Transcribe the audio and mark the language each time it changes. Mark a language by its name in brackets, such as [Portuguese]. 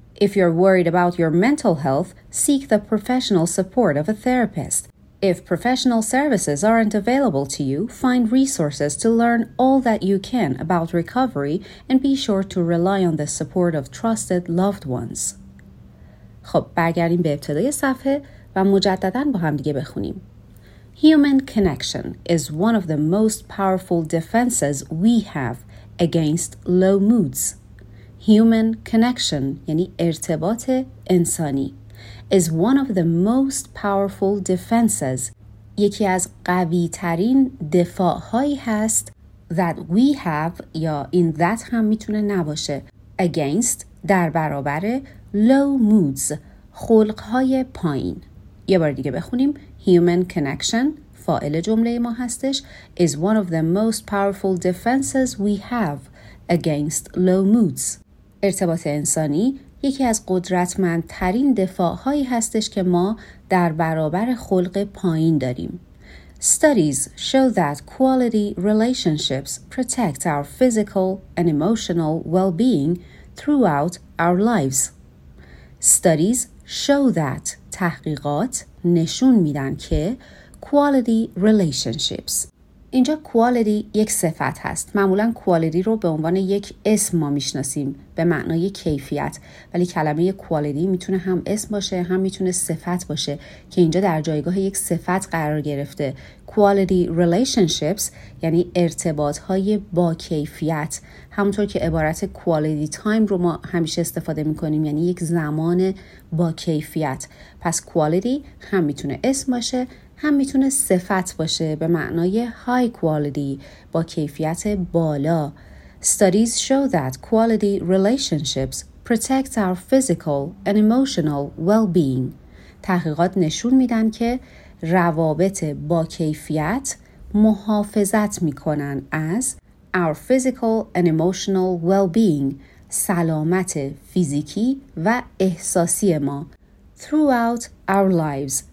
[English] If you're worried about your mental health, seek the professional support of a therapist. If professional services aren't available to you, find resources to learn all that you can about recovery and be sure to rely on the support of trusted loved ones. [Persian] خب برگردیم به ابتدای صفحه و مجدداً با هم دیگه بخونیم. [English] Human connection is one of the most powerful defenses we have against low moods. Human connection [Persian] یعنی ارتباط انسانی [English] is one of the most powerful defenses [Persian] یکی از قوی ترین دفاعهایی هست [English] that we have [Persian] یا [English] in that [Persian] هم میتونه نباشه against در برابر [English] low moods [Persian] خلقهای پایین. یه بار دیگه بخونیم. [English] Human connection [Persian] فاعل جمله ما هستش [English] is one of the most powerful defenses we have against low moods. [Persian] ارتباط انسانی یکی از قدرتمندترین دفاعهایی هستش که ما در برابر خلق پایین داریم. [English] Studies show that quality relationships protect our physical and emotional well-being throughout our lives. Studies show that [Persian] تحقیقات نشون میدن که [English] quality relationships. [Persian] اینجا quality یک صفت هست. معمولا quality رو به عنوان یک اسم ما میشناسیم به معنای کیفیت. ولی کلمه quality میتونه هم اسم باشه هم میتونه صفت باشه که اینجا در جایگاه یک صفت قرار گرفته. [English] Quality relationships [Persian] یعنی ارتباط های با کیفیت. همونطور که عبارت quality time رو ما همیشه استفاده میکنیم یعنی یک زمان با کیفیت. پس quality هم میتونه اسم باشه هم میتونه صفت باشه به معنای high quality با کیفیت بالا. [English] Studies show that quality relationships protect our physical and emotional well-being. [Persian] تحقیقات نشون میدن که روابط با کیفیت محافظت میکنن از [English] our physical and emotional well-being [Persian] سلامت فیزیکی و احساسی ما [English] throughout our lives.